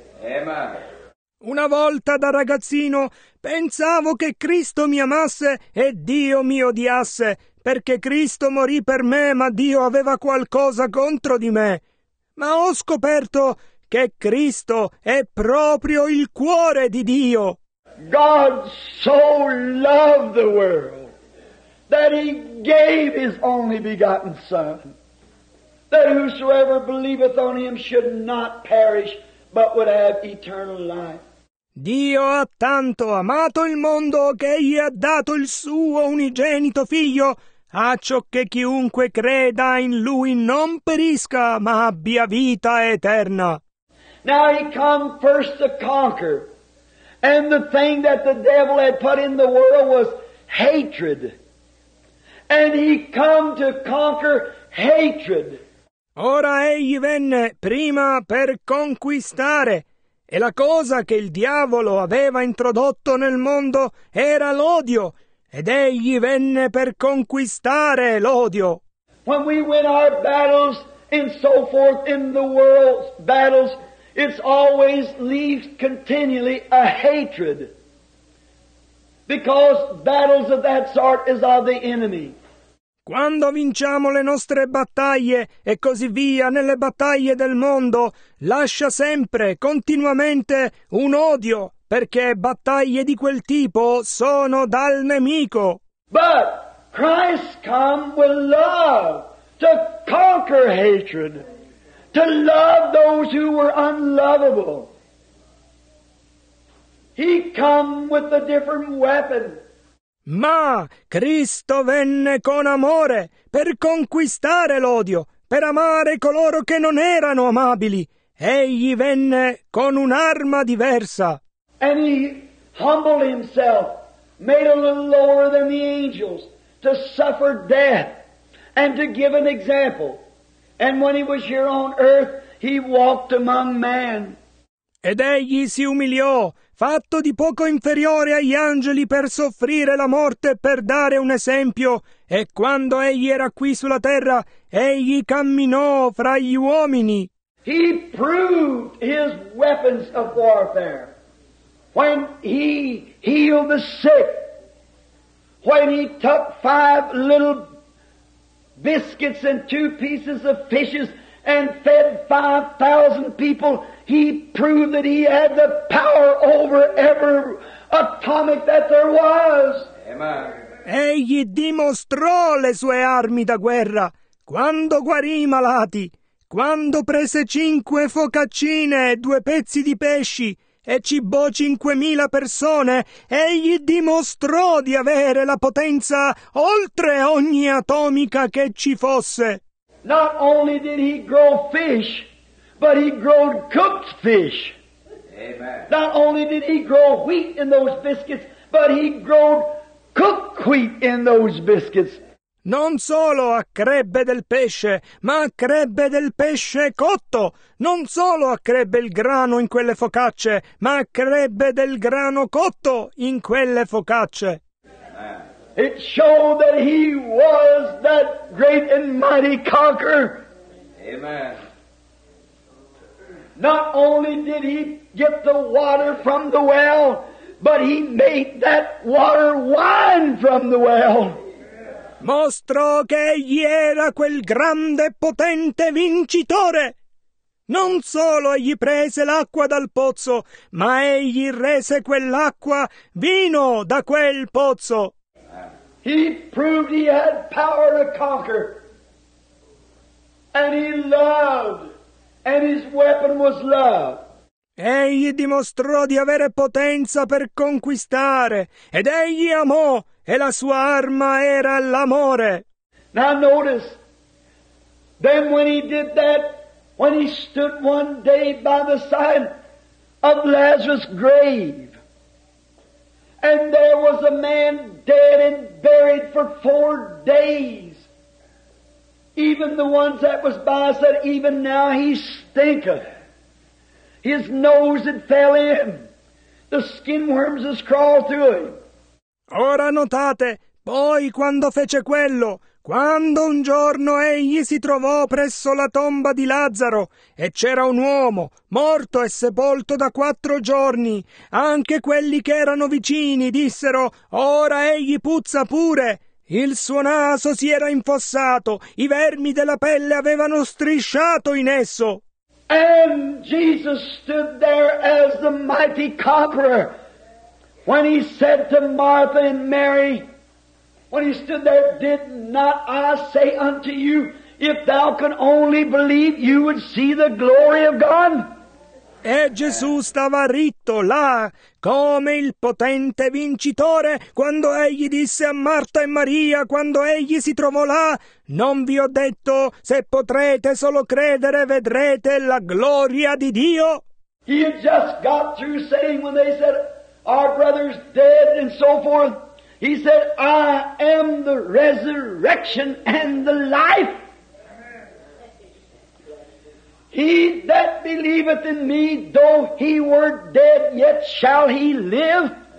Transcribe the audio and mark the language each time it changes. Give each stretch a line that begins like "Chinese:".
English: Amen.
Italian: Una volta da ragazzino pensavo che Cristo mi amasse e Dio mi odiasse, perché Cristo morì per me, ma Dio aveva qualcosa contro di me. Ma ho scoperto che Cristo è proprio il cuore di Dio.
English: God so loved the world that he gave his only begotten Son, that whosoever believeth on him should not perish, but would have eternal life.
Italian: Dio ha tanto amato il mondo che gli ha dato il suo unigenito figlio, acciò che chiunque creda in lui non perisca, ma abbia vita eterna.
English: Now he come first to conquer, and the thing that the devil had put in the world was hatred. And he come to conquer hatred.
Italian: Ora egli venne prima per conquistare, e la cosa che il diavolo aveva introdotto nel mondo era l'odio, ed egli venne per conquistare l'odio.
English: When we win our battles and so forth in the world's battles, it's always leaves continually a hatred, because battles of that sort is of the enemy.
Italian: Quando vinciamo le nostre battaglie e così via nelle battaglie del mondo, lascia sempre, continuamente, un odio, perché battaglie di quel tipo sono dal nemico.
English: But Christ come with love to conquer hatred, to love those who were unlovable. He come with a different weapon.
Italian: Ma Cristo venne con amore per conquistare l'odio, per amare coloro che non erano amabili. Egli venne con un'arma diversa.
English: And he humbled himself, made a little lower than the angels, to suffer death and to give an example. And when he was here on earth, he walked among men.
Italian: Ed egli si umiliò, fatto di poco inferiore agli angeli per soffrire la morte per dare un esempio, e quando egli era qui sulla terra, egli camminò fra gli uomini.
English: He proved his weapons of warfare when he healed the sick, when he took five little biscuits and two pieces of fishes and fed 5,000 people. He proved that he had the power over every atomic that there was. Amen.
Italian: Egli dimostrò le sue armi da guerra quando guarì i malati, quando prese 5 focaccine e 2 pezzi di pesci e cibò 5,000 persone. Egli dimostrò di avere la potenza oltre ogni atomica che ci fosse.
English: Not only did he grow fish, but he growed cooked fish. Amen. Not only did he grow wheat in those biscuits, but he growed cooked wheat in those biscuits.
Italian: Non solo accrebbe del pesce, ma accrebbe del pesce cotto. Non solo accrebbe il grano in quelle focacce, ma accrebbe del grano cotto in quelle focacce.
English: It showed that he was that great and mighty conqueror. Amen. Not only did he get the water from the well, but he made that water wine from the well.
Italian: Mostrò che egli era quel grande e potente vincitore. Non solo egli prese l'acqua dal pozzo, ma egli rese quell'acqua vino da quel pozzo.
English: He proved he had power to conquer. And he loved. And his weapon was love.
Italian: Egli dimostrò di avere potenza per conquistare. Ed egli amò. E la sua arma era l'amore.
English: Now notice. Then when he did that, when he stood one day by the side of Lazarus' grave, and there was a man dead and buried for 4 days. Even the ones that was by said, even now he stinketh. His nose had fell in. The skin worms has crawled through him.
Italian: Ora notate, poi quando fece quello, quando un giorno egli si trovò presso la tomba di Lazzaro, e c'era un uomo, morto e sepolto da 4 giorni, anche quelli che erano vicini dissero, ora egli puzza pure, il suo naso si era infossato, i vermi della pelle avevano strisciato in esso.
English: And Jesus stood there as the mighty conqueror. When he said to Martha and Mary, when he stood there, did not I say unto you, if thou could only believe, you would see the glory of God?
Italian: E Gesù stava ritto là, come il potente vincitore, quando egli disse a Marta e Maria, quando egli si trovò là: «Non vi ho detto, se potrete solo credere, vedrete la gloria di Dio?»
English: He had just got through saying, when they said, our brother's dead and so forth, he said, I am the resurrection and the life. He that believeth in me, though he were dead, yet shall he live.